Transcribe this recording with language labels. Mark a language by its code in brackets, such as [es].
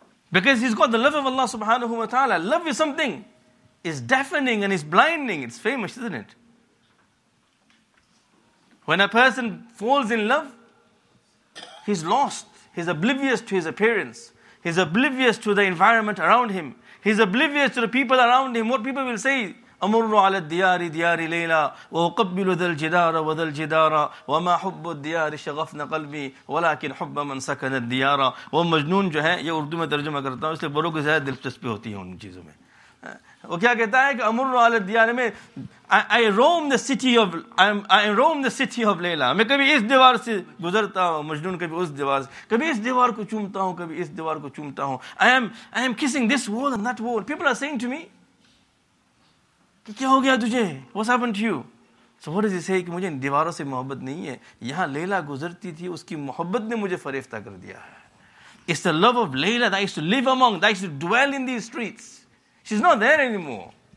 [en] Because he's got the love of Allah subhanahu wa ta'ala. Love is something. It's deafening and it's blinding. It's famous, isn't it? When a person falls in love, he's lost. He's oblivious to his appearance. He's oblivious to the environment around him. He's oblivious to the people around him. What people will say, [ar] أَمُرُّ عَلَى الدِّيَارِ دِيَارِ لَيْلَى وَأُقَبِّلُ ذَا الْجِدَارَ وَذَا الْجِدَارَ وَمَا حُبُّ الدِّيَارِ شَغَفْنَ قَلْبِي وَلَكِنْ حُبَّ مَنْ سَكَنَ الدِّيَارَ [ur] وہ مجنون جو ہے یہ اردو میں ترجمہ کرتا ہوں اس لیے بڑوں کو زیادہ دلچسپی ہوتی ہے ان چیزوں میں وہ کیا کہتا ہے کہ [ar] أَمُرُّ عَلَى الدِّيَارِ [ur] میں [en] I roam the city of Layla. [ur] میں کبھی اس دیوار سے گزرتا ہوں مجنون کبھی اس دیوار سے کبھی اس دیوار کو چومتا ہوں کبھی اس دیوار کو چومتا ہوں [en] I am kissing this wall and that wall. People are saying to me, [ur] کیا ہو گیا تجھے, [en] what's happened to you? So what does he say? [ur] کہ مجھے ان دیواروں سے محبت نہیں ہے, یہاں لیلا گزرتی تھی اس کی محبت نے مجھے فریفتہ کر دیا ہے. [en] It's the love of Layla that I used to live among, that I used to dwell in these streets. She's not there anymore.